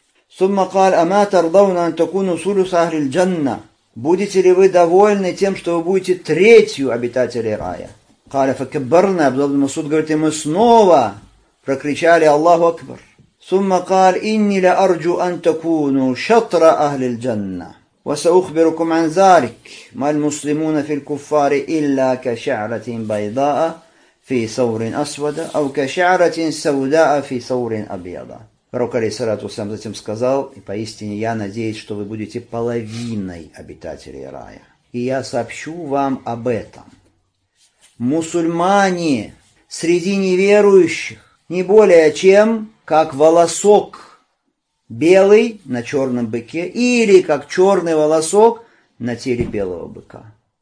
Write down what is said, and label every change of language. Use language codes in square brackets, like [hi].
[ar] Сумма кал, «Ама тардауна ан такуну сулуса ахли джанна?» [ru] «Будете ли вы довольны тем, что вы будете третью обитателей рая?» [ar] Кал, «Факаббарна». [ru] Абдулла Масуд говорит, «И мы снова прокричали «Аллаху Акбар». [ar] Сумма кал, «Инни ля арджу ан такуну шатра ахли джанна». وسأخبركم عن ذلك ما المسلمون في الكفار إلا كشعرة بيضاء في ثور أسود أو كشعرة سوداء في ثور أبيض. [ru] Пророк алейхиссалату вассалям затем сказал: и поистине я надеюсь, что вы будете половиной обитателей рая. И я сообщу вам об этом. Мусульмане среди неверующих не более чем как волосок белый на черном быке или как черный волосок на теле белого быка.